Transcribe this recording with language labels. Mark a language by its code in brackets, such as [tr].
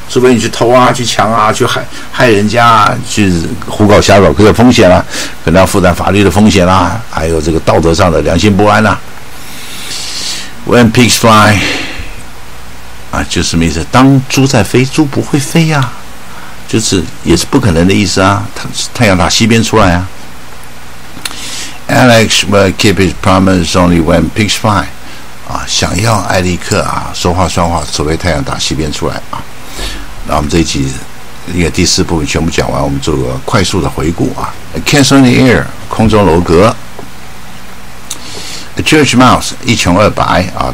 [zh] 除非你去偷啊、去抢啊、去害人家、啊、去胡搞瞎搞，可是有风险啊，可能要负担法律的风险啊，还有这个道德上的良心不安啊。 [en] When pigs fly， [zh] 啊，就是什么意思？当猪在飞，猪不会飞啊，就是也是不可能的意思啊。太阳打西边出来啊。 [en] Alex will keep his promise only when pigs fly。 [zh] 啊，想要艾利克啊，说话算话，除非太阳打西边出来啊。那我们这一集，因为第四部分全部讲完，我们做个快速的回顾啊。 [en] A castle in the air， [zh] 空中楼阁。 [en] A church mouse， [zh] 一穷二白啊。